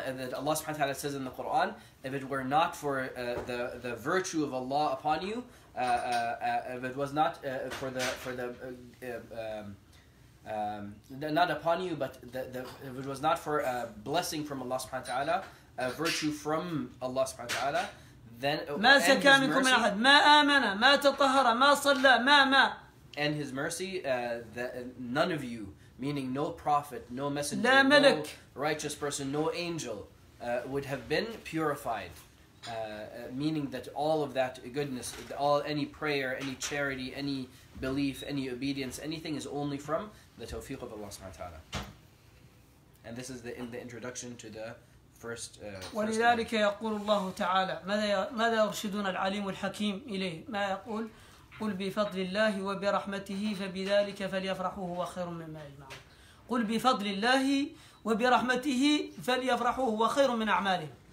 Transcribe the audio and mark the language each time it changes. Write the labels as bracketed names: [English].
[English] And that Allah subhanahu wa ta'ala says in the Quran, if it were not for the virtue of Allah upon you, if it was not for a blessing from Allah subhanahu wa ta'ala, a virtue from Allah subhanahu wa ta'ala, then, [Arabic] ما زكى منكم من أحد ما آمن ما تطهر ما صلى ما [English] and his mercy none of you meaning no prophet no messenger [Arabic] لا ملك [English] no righteous person no angel would have been purified meaning that all of that goodness all any prayer any charity any belief any obedience anything is only from the tawfiq of Allah subhanahu wa ta'ala and this is the introduction to the first, [Arabic] ولذلك يقول الله تعالى ماذا يرشدون العليم الحكيم إليه ما يقول قل بفضل الله وبرحمته فبذلك فليفرحوا هو خير مما يجمعون قل بفضل الله وبرحمته فليفرحوا هو خير من أعماله